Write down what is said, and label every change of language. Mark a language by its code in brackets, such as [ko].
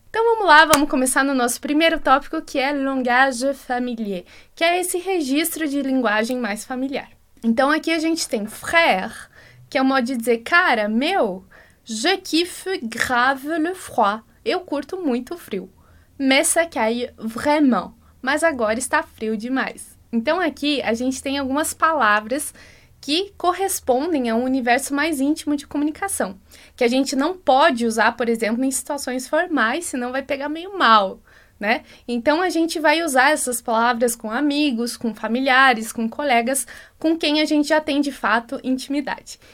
[pt] Então vamos lá, vamos começar no nosso primeiro tópico, que é langage familier, que é esse registro de linguagem mais familiar. Então aqui a gente tem frère, que é o um modo de dizer cara, meu, [fr] je kiffe grave le froid. [pt] Eu curto muito o frio. [fr] Mais ça caille vraiment. [pt] Mas agora está frio demais. Então aqui a gente tem algumas palavras que correspondem a um universo mais íntimo de comunicação, que a gente não pode usar, por exemplo, em situações formais, senão vai pegar meio mal, né? Então a gente vai usar essas palavras com amigos, com familiares, com colegas, com quem a gente já tem de fato intimidade.